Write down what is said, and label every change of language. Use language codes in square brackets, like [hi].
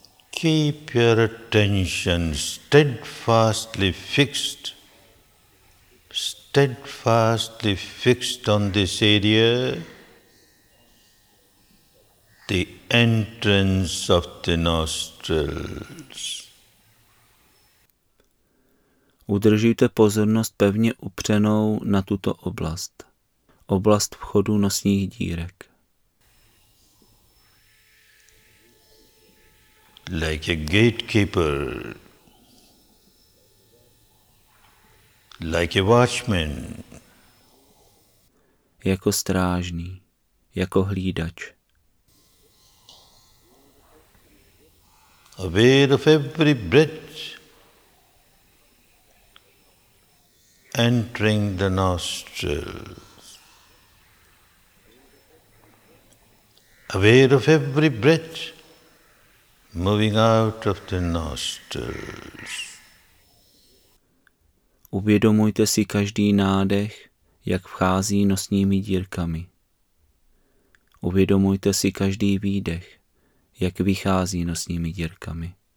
[en] Keep your attention steadfastly fixed on this area, the entrance of the nostrils. [cs] Udržujte pozornost pevně upřenou na tuto oblast, oblast vchodu nosních dírek. [en] like a gatekeeper, like a watchman. [cs] Jako strážný, jako hlídač. [en] Aware of every breath entering the nostrils. Aware of every breath moving out of the nostrils. [cs] Uvědomujte si každý nádech, jak vchází nosními dírkami. Uvědomujte si každý výdech, jak vychází nosními dírkami.